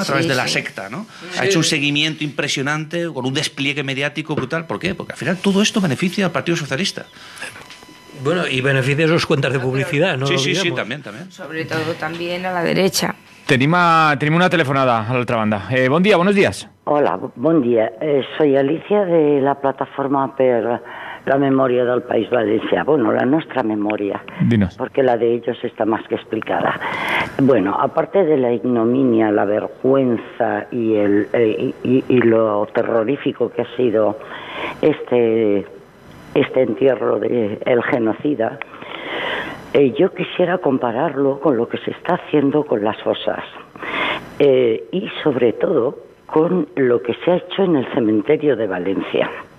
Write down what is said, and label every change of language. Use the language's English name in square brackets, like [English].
[Spanish] A través de la secta, ¿no? Sí. Ha hecho un seguimiento impresionante con un despliegue mediático brutal. ¿Por qué? Porque al final todo esto beneficia al Partido Socialista. Bueno, y beneficia a sus cuentas de publicidad, ¿no? Sí, sí, sí, también. Sobre todo también a la derecha. [Catalan] Tenim una telefonada a l'altra banda. Bon dia, bons dies. Hola, bon dia. [Spanish] Soy Alicia de la Plataforma per la Memòria del País Valencià. [Catalan] Bueno, la nostra memòria. [Spanish] Dinos. Porque la de ellos está más que explicada. Bueno, aparte de la ignominia, la vergüenza y el lo terrorífico que ha sido este entierro del genocida, yo quisiera compararlo con lo que se está haciendo con las fosas y sobre todo con lo que se ha hecho en el cementerio de Valencia.